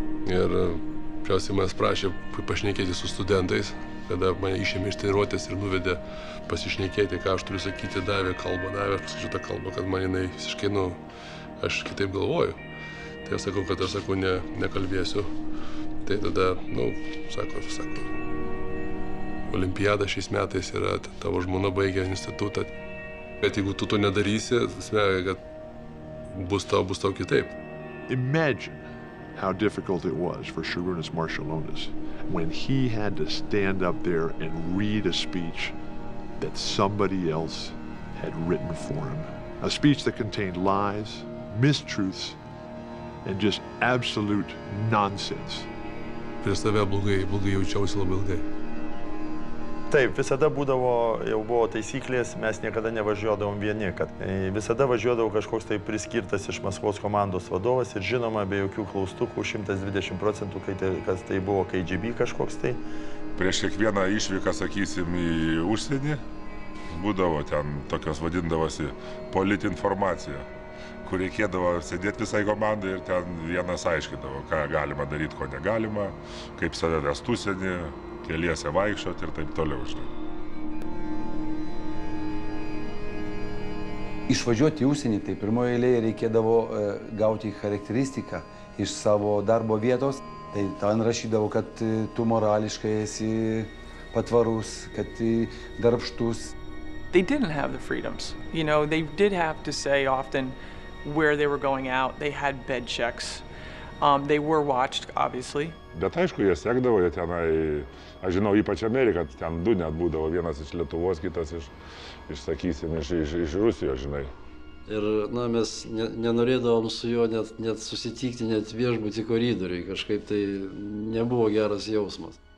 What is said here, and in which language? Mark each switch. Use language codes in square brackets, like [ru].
[lt] Ir priausiai manęs prašė pašnekėti su studentais, kada mane išėmė iš treniruotės ir nuvedė pasišnekėti, ką aš turiu sakyti, davė kalbą, aš pasakyčiau tą kalbą, kad man jinai visiškai, nu, aš kitaip galvoju. Tai aš sakau, kad aš sakau, nekalbėsiu. Tai tada, nu, sako, olimpiada šiais metais yra, tavo žmona baigė institutą. Bet jeigu tu to nedarysi, smegai, kad bus tau kitaip. [en] Imagine how difficult it was for Šarūnas Marčiulionis when he had to stand up there and read a speech that somebody else had written for him. A speech that contained lies, mistruths, and just absolute nonsense. [lt] Prieš tave blogai jaučiausi labai ilgai. Taip, visada būdavo, jau buvo taisyklės, mes niekada nevažiuodavom vieni, kad visada važiuodavo kažkoks tai priskirtas iš Maskvos komandos vadovas ir žinoma, be jokių klaustukų, 120%, kas tai buvo KGB kažkoks tai. Prieš kiekvieną išvyką, sakysim, į užsienį, būdavo ten tokios vadindavosi politinformacija, kur reikėdavo sėdėti visai komandai ir ten vienas aiškindavo, ką galima daryti, ko negalima, kaip save vest užsienį, keliese vaikščioti ir taip toliau, žinai. Išvažiuoti į užsienį, tai pirmoje eilėje reikėdavo gauti charakteristiką iš savo darbo vietos. Tai ten rašydavo, kad tu morališkai esi patvarus, kad darbštus. [en] They didn't have the freedoms. You know, they did have to say often where they were going out. They had bed checks. They were watched, obviously. [lt] Bet aišku, jie sekdavo, jie tenai, aš žinau, ypač Ameriką, ten du net būdavo, vienas iš Lietuvos, kitas iš Rusijos, žinai. Ir, na, mes nenorėdavom su juo net susitikti, net viešbutį koridoriui, kažkaip tai nebuvo geras jausmas.